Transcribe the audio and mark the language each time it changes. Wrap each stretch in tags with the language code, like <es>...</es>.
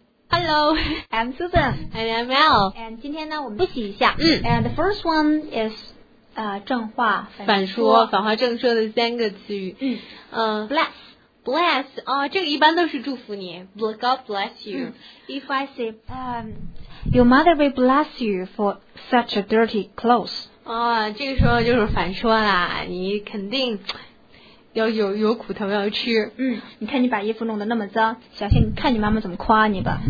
<en>I'm Susan. And I'm Mel.</en> <zh>And 今天呢我们复习一下。</zh> <en>And the first one is,</en> <zh>正话反说。反话正说的三个词语。</zh> <en>Bless. Bless.</en> <zh>哦，这个一般都是祝福你。</zh> <en>God bless you. If I say, your mother will bless you for such a dirty clothes.</en> <zh>哦，这个时候就是反说啦，你肯定要有苦头要吃。你看你把衣服弄得那么脏，小心看你妈妈怎么夸你吧。</zh>